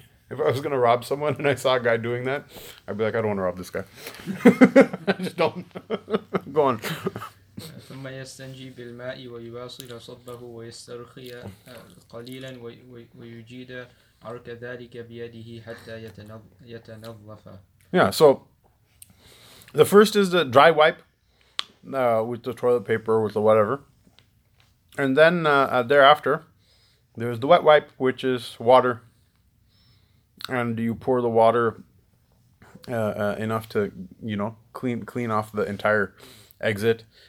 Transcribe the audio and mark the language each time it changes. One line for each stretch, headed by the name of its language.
English: If I was gonna rob someone and I saw a guy doing that, I'd be like, I don't want to rob this guy. Just don't. Go on.
Arabic: ثم يستنجي بالماء ويواصل صبه ويسترخي قليلا ويجيد عرق ذلك بيده حتى يتنظف.
English: Yeah, so the first is the dry wipe with the toilet paper or with the whatever. And then thereafter, there's the wet wipe, which is water. And you pour the water enough to, you know, clean off the entire exit.